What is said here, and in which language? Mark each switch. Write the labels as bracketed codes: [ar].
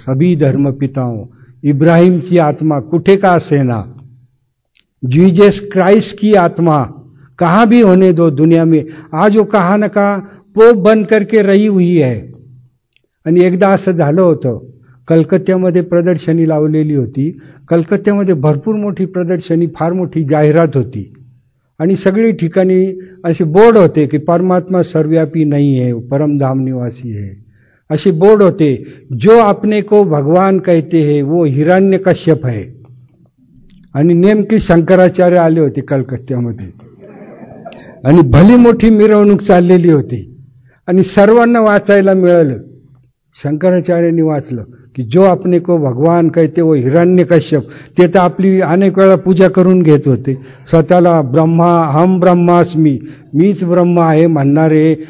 [hi] सभी धर्म पिताओं, [mr] इब्राहिमची आत्मा कुठे का असेना, [hi] जीजस क्राइस्ट की आत्मा कहा भी होने दो दुनिया में, आज वो कहा ना कहा पोप बन करके रही हुई है. [mr] आणि एकदा असं झालं होतं, कलकत्त्यामध्ये प्रदर्शनी लावलेली होती, कलकत्त्यामध्ये भरपूर मोठी प्रदर्शनी, फार मोठी जाहिरात होती, आणि सगळी ठिकाणी असे बोर्ड होते की परमात्मा सर्वव्यापी नाही आहे, परमधाम निवासी आहे, असे बोर्ड होते. [hi] जो अपने को भगवान कहते है वो हिरण्यकश्यप है. [mr] आणि नेमके शंकराचार्य आले होते कलकत्त्यामध्ये, आणि भली मोठी मिरवणूक चाललेली होती, आणि सर्वांना वाचायला मिळालं. शंकराचार्यांनी वाचलं की [hi] जो अपने को भगवान कहते वो हिरण्यकश्यप, [mr] ते तर आपली अनेक वेळा पूजा करून घेत होते स्वतःला, ब्रह्मा अहम ब्रह्मास्मी, मीच ब्रह्म आहे म्हणणारे.